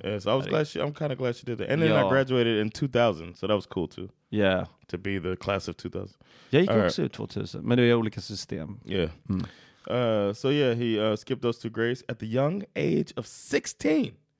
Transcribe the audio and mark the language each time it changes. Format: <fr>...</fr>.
<en>Yeah, so I was glad I'm kind of glad she did that. And then I graduated in 2000, so that was cool too. Yeah. To be the class of 2000.</en> <sv>Jag gick också ut 2000, men det är olika system.</sv> <en>Yeah. Mm. He skipped those two grades at the young age of 16.</en>